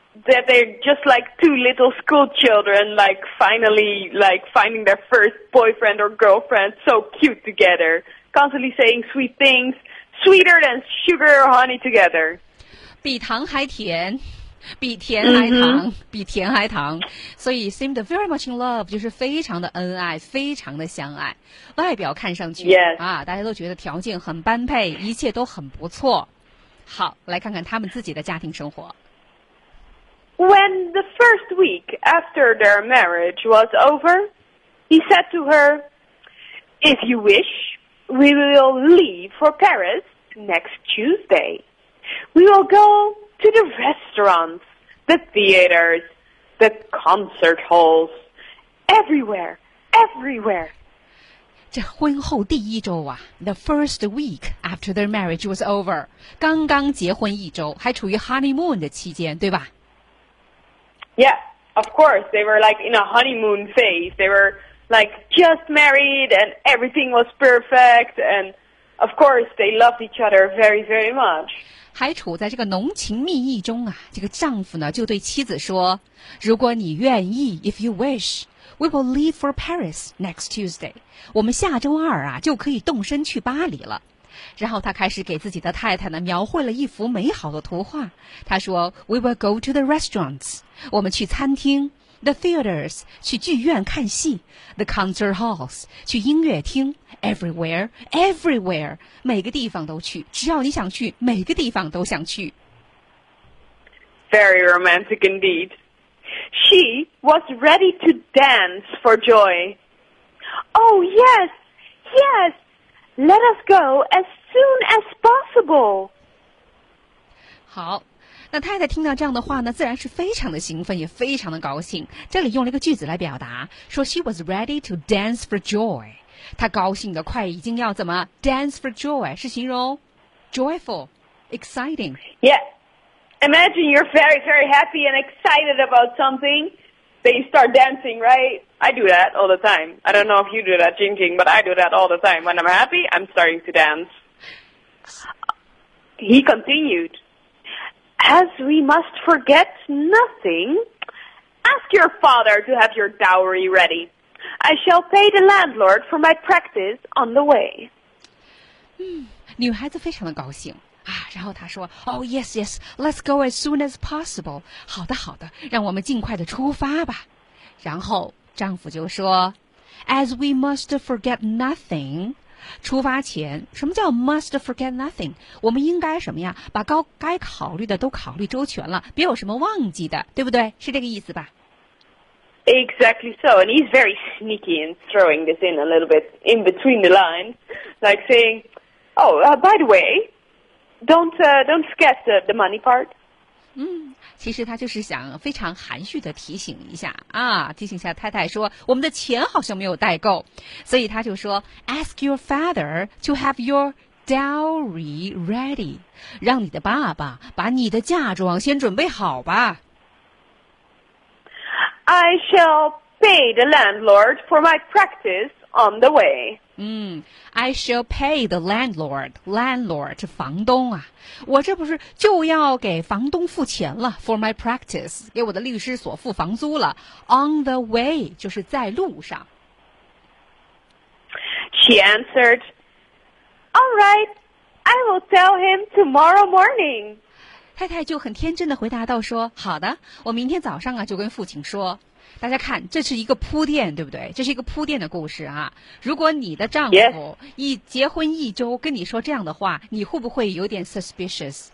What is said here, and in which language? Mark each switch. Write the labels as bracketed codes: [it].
[en] That they're just like two little school children, like finally, like finding their first boyfriend or girlfriend, so cute together. Constantly saying sweet things, sweeter than sugar or honey together. [zh] 比糖还甜，比甜还糖，比甜还糖。所以 [en] seemed very much in love, [zh] 就是非常的恩爱，非常的相爱。外表看上去、 [en] yes. [zh] 啊，大家都觉得条件很般配，一切都很不错。好，来看看他们自己的家庭生活。 [en] When the first week after their marriage was over, he said to her, If you wish, we will leave for Paris next Tuesday. We will go to the restaurants, the theaters, the concert halls, everywhere, everywhere. [zh] 这婚后第一周啊 [en] the first week after their marriage was over, [zh] 刚刚结婚一周还处于 honeymoon 的期间对吧 [en] Yeah, of course, they were like in a honeymoon phase. They were like just married and everything was perfect. And of course, they loved each other very, very much. [zh] 还处在这个浓情蜜意中啊，这个丈夫呢就对妻子说，如果你愿意 , [en] if you wish, we will leave for Paris next Tuesday. [zh] 我们下周二啊就可以动身去巴黎了。然后他开始给自己的太太呢描绘了一幅美好的图画。他说 , [en] We will go to the restaurants, [zh] 我们去餐厅 , [en] the theaters, [zh] 去剧院看戏 , [en] the concert halls, [zh] 去音乐厅 , [en] everywhere, everywhere, [zh] 每个地方都去只要你想去每个地方都想去。 [en] Very romantic indeed. She was ready to dance for joy. Oh, yes, yes. Let us go as soon as possible. [zh] 好，那太太听到这样的话呢，自然是非常的兴奋，也非常的高兴。这里用了一个句子来表达，说 [en] she was ready to dance for joy. [zh] 她高兴的快，已经要怎么 [en] dance for joy [zh] 是形容 [en] joyful, exciting. Yeah, imagine you're very, very happy and excited about something, then you start dancing, right? I do that all the time. I don't know if you do that, Jing Jing, but I do that all the time. When I'm happy, I'm starting to dance. He continued, As we must forget nothing, ask your father to have your dowry ready. I shall pay the landlord for my practice on the way. [zh] 女孩子非常的高兴。啊，然后他说 [en] ,Oh, yes, yes, let's go as soon as possible. [zh] 好的好的让我们尽快的出发吧。然后丈夫就说 [en] ,As we must forget nothing, [zh] 出发前什么叫 [en] must forget nothing? [zh] 我们应该什么呀把该考虑的都考虑周全了别有什么忘记的对不对是这个意思吧 [en] ?Exactly so, and he's very sneaky in throwing this in a little bit in between the lines, like saying, oh, by the way, don't forget the money part. [zh] 其实他就是想非常含蓄的提醒一下啊，提醒一下太太说我们的钱好像没有带够，所以他就说 [en] ask your father to have your [zh] dowry ready，让你的爸爸把你的嫁妆先准备好吧。 [en] I shall pay the landlord for my practice on the way. I shall pay the landlord [zh] 是房东啊，我这不是就要给房东付钱了 [en] for my practice， [zh] 给我的律师所付房租了。 [en] On the way [zh] 就是在路上。 [en] She answered, All right, I will tell him tomorrow morning. [zh] 太太就很天真的回答道说，好的，我明天早上啊就跟父亲说。大家看，这是一个铺垫，对不对？这是一个铺垫的故事啊。如果你的丈夫一结婚一周跟你说这样的话，你会不会有点 suspicious？